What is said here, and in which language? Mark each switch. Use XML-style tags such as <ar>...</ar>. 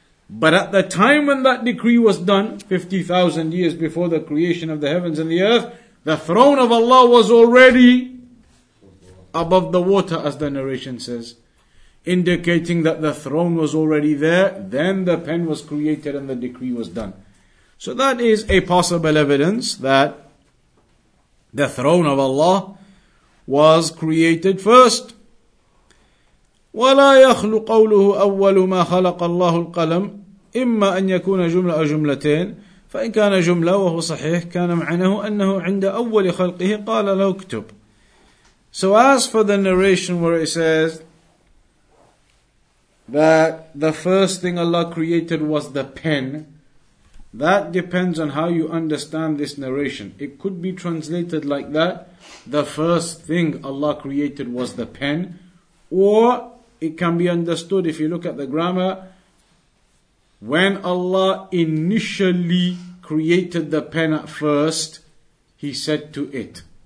<en>But at the time when that decree was done, 50,000 years before the creation of the heavens and the earth, the throne of Allah was already above the water, as the narration says, indicating that the throne was already there, then the pen was created and the decree was done. So that is a possible evidence that the throne of Allah was created first.</en> <ar>وَلَا يَخْلُ قَوْلُهُ أَوَّلُ مَا خَلَقَ اللَّهُ الْقَلَمُ إما أن يكون جملة أو جملتين فإن كان جملة وهو صحيح كان معناه أنه عند أول خلقه قال له اكتب.</ar> <en>So as for the narration where it says that the first thing Allah created was the pen, that depends on how you understand this narration. It could be translated like that, the first thing Allah created was the pen, or it can be understood if you look at the grammar, when Allah initially created the pen at first, He said to it.</en>